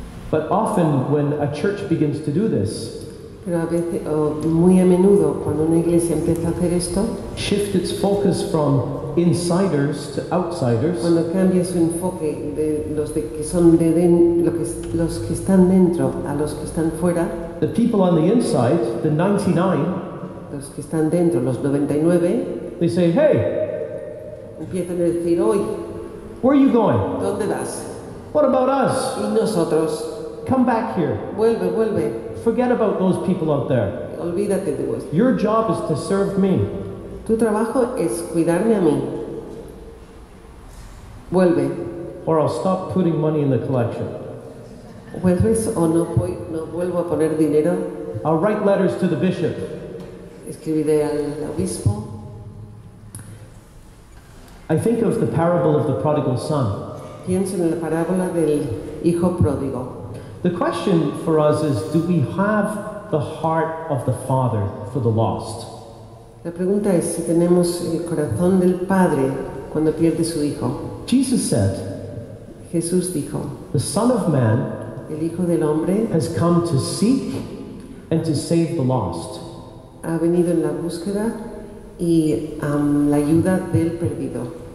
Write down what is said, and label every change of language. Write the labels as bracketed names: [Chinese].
[English] But often when a church begins to do this, [Spanish] pero a veces, muy a menudo, cuando una iglesia empieza a hacer esto, [English] shift its focus from insiders to outsiders, [Spanish] cuando cambia su enfoque de los de, que son de los que están dentro a los que están fuera, [English] the people on the inside, the 99, [Spanish] los que están dentro, los 99, [English] they say, hey, [Spanish] empiezan a decir, hoy, [English] where are you going? [Spanish] ¿Dónde vas? [English] What about us? [Spanish] ¿Y nosotros? [English] Come back here. [Spanish] Vuelve, vuelve. [English] Forget about those people out there. [Spanish] Olvídate de vos. [English] Your job is to serve me. [Spanish] Tu trabajo es cuidarme a mí. Vuelve. [English] Or I'll stop putting money in the collection. [Spanish] ¿Vuelves o no, no vuelvo a poner dinero? [English] I'll write letters to the bishop. [Spanish] Escribiré al obispo. [English] I think of the parable of the prodigal son. [Spanish] Pienso en la parábola del hijo pródigo. [English] The question for us is, do we have the heart of the Father for the lost? [Spanish] La pregunta es si tenemos el corazón del Padre cuando pierde su hijo. [English] Jesus said, [Spanish] Jesús dijo, [English] the Son of Man, [Spanish] el Hijo del Hombre, [English] has come to seek and to save the lost. [Spanish] Ha venido en la búsqueda y la ayuda del perdido.